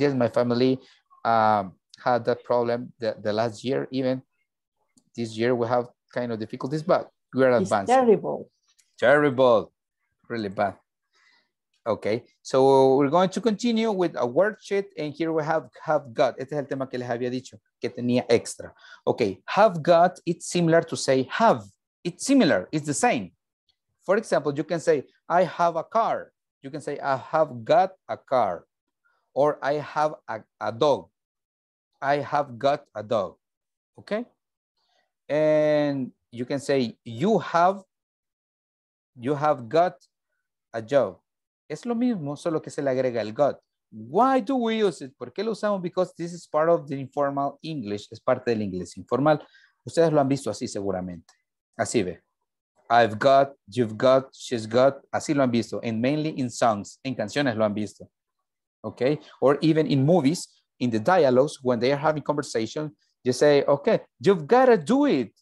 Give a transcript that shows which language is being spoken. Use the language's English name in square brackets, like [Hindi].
[English] Yes, my family had that problem the last year. Even this year we have kind of difficulties, but we are advanced. Terrible, really bad. Okay, so we're going to continue with a worksheet, and here we have got. [Spanish] Este es el tema que les había dicho, que tenía extra. [English] Okay, have got, it's similar to say have. It's similar, it's the same. For example, you can say, I have a car. You can say, I have got a car. Or I have a dog. I have got a dog. Okay? And you can say, you have got a job. [Spanish] Es lo mismo, solo que se le agrega el got. [English] Why do we use it? [Spanish] ¿Por qué lo usamos? [English] Because this is part of the informal English. [Spanish] Es parte del inglés informal. Ustedes lo han visto así seguramente. Así ve. [English] I've got, you've got, she's got. [Spanish] Así lo han visto. [English] And mainly in songs. [Spanish] En canciones lo han visto. Okay? [English] Or even in movies, in the dialogues, when they are having conversation, you say, okay, you've got to do it.